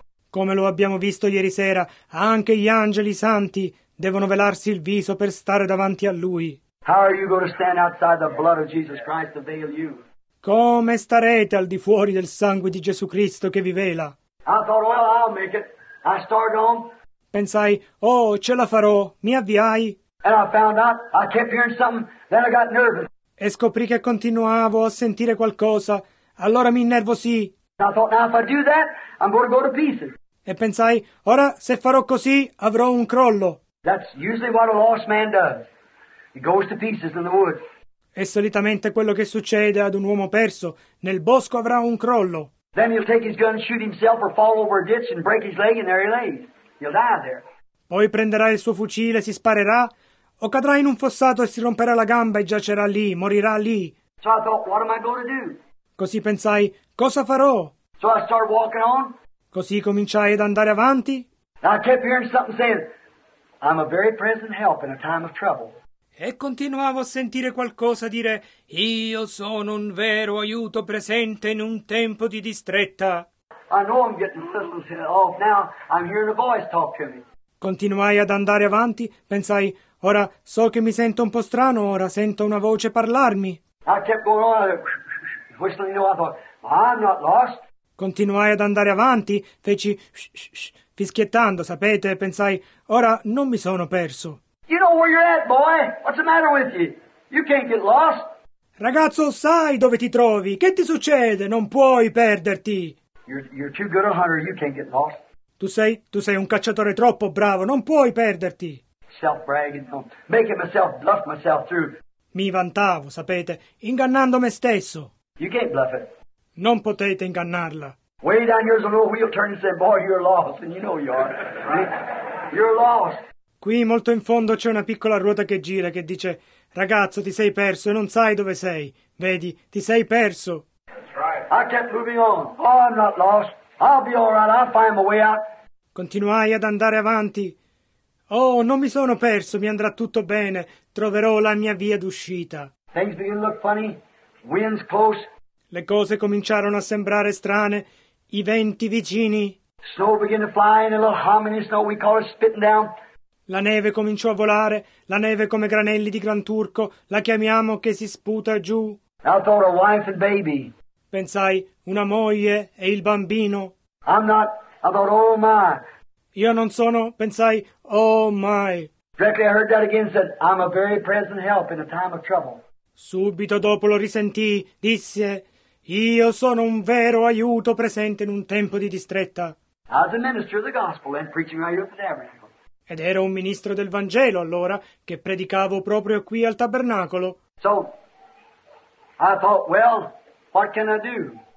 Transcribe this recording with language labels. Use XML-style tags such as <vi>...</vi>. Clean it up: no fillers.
<it>Come lo abbiamo visto ieri sera, anche gli angeli santi devono velarsi il viso per stare davanti a Lui.</it> <en>How are you going to stand outside the blood of Jesus Christ to veil you?</en> <it>Come starete al di fuori del sangue di Gesù Cristo che vi vela?</it> <en>I thought, well, I'll make it. I started on.</en> <it>Pensai, oh, ce la farò, mi avviai.</it> <en>And I found out, I kept hearing something, then I got nervous.</en> <it>E scoprì che continuavo a sentire qualcosa, allora mi innervosì.</it> <en>I thought, now if I do that, I'm going to go to pieces.</en> <it>E pensai, ora se farò così, avrò un crollo.</it> <en>That's usually what a lost man does. He goes to pieces in the woods.</en> <it>È solitamente quello che succede ad un uomo perso. Nel bosco avrà un crollo.</it> <en>Then he'll take his gun, shoot himself, or fall over a ditch and break his leg, and there he lays. He'll die there.</en> <it>Poi prenderà il suo fucile, si sparerà, o cadrà in un fossato e si romperà la gamba e giacerà lì, morirà lì.</it> <en>So I thought, what am I going to do?</en> <it>Così pensai, cosa farò?</it> <en>So I started walking on.</en> <it>Così cominciai ad andare avanti.</it> <en>I kept hearing something saying, I'm a very present help in a time of trouble.</en> <it>E continuavo a sentire qualcosa dire, io sono un vero aiuto presente in un tempo di distretta.</it> <en>I know I'm getting systems off now, I'm hearing a voice talk to me.</en> <it>Continuai ad andare avanti, pensai, ora so che mi sento un po' strano, ora sento una voce parlarmi.</it> <en>I kept going on, whistling, you know, I thought, I'm not lost.</en> <it>Continuai ad andare avanti, feci, fischiettando, sapete, pensai, ora non mi sono perso.</it> <en>You know where you're at, boy. What's the matter with you? You can't get lost.</en> <it>Ragazzo, sai dove ti trovi. Che ti succede? Non puoi perderti.</it> <en>You're too good a hunter. You can't get lost.</en> <it>Tu sei un cacciatore troppo bravo. Non puoi perderti.</it> <en>Self-bragging, making myself, bluff myself through.</en> <it>Mi vantavo, sapete, ingannando me stesso.</it> <en>You can't bluff it.</en> <it>Non potete ingannarla.</it> <en>Way down here's a little wheel turning and say, boy, you're lost. And you know you are. Right? You're lost.</en> <it>Qui molto in fondo c'è una piccola ruota che gira che dice, ragazzo, ti sei perso e non sai dove sei. Vedi, ti sei perso.</it> <en>I kept moving on. Oh, I'm not lost. I'll be all right. I'll find my way out.</en> <it>Continuai ad andare avanti. Oh, non mi sono perso. Mi andrà tutto bene. Troverò la mia via d'uscita.</it> <en>Things begin to look funny. Wind's close.</en> <it>Le cose cominciarono a sembrare strane. I venti vicini.</it> <en>Snow began to fly in a little hominy snow. We call it spitting down.</en> <it>La neve cominciò a volare, la neve come granelli di Gran Turco, la chiamiamo che si sputa giù.</it> <en>I thought a wife and baby.</en> <it>Pensai, una moglie e il bambino.</it> <en>I'm not, I thought, oh my.</en> <it>Io non sono, pensai,</it> <en>oh my. Directly I heard that again, said, I'm a very present help in a time of trouble.</en> <it>Subito dopo lo risentii, disse, io sono un vero aiuto presente in un tempo di distretta.</it> <en>I was a minister of the gospel and preaching right here at the tabernacle.</en> <it>Ed ero un ministro del Vangelo allora che predicavo proprio qui al tabernacolo.</it> <en>So, I thought, well, what can I do?</en>